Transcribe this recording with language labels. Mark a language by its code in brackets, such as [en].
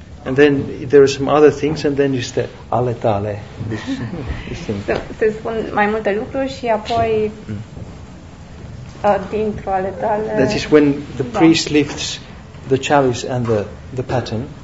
[en] And then there are some other things, and then just the [ro] ale tale. Se spun mai multe lucruri și apoi dintr-o ale tale. [en] That is when the priest lifts the chalice and the paten.